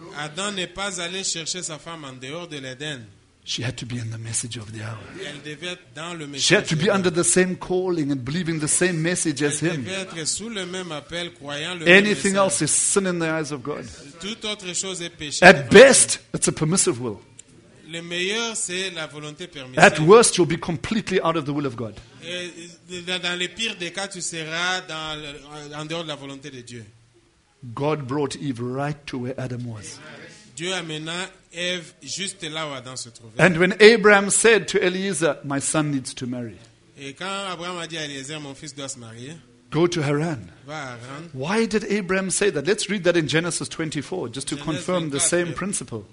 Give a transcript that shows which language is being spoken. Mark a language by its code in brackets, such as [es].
[fr] Adam n'est pas allé chercher sa femme en dehors de l'Éden. [en] She had to be in the message of the hour. [fr] Elle devait être dans le message. [en] She had to be under the same calling and believing the same message as him. [fr] Elle devait être sous le même appel, croyant le [en] Anything [fr] même message. [en] Else is sin in the eyes of God. [fr] Toute autre chose est péché. [en] At best, it's a permissive will. [fr] Le meilleur, c'est la volonté permissive. [en] At worst, you'll be completely out of the will of God. [fr] Et dans les pires des cas, tu seras dans en dehors de la volonté de Dieu. [en] God brought Eve right to where Adam was. [fr] Dieu amena Eve juste là où Adam se trouvait. [en] And when Abraham said to Eliezer, my son needs to marry. [fr] Et quand Abraham a dit à Eliezer, mon fils doit se marier. [en] Go to Haran. [fr] Va à Haran. [en] Why did Abraham say that? Let's read that in Genesis 24, just to confirm the same principle.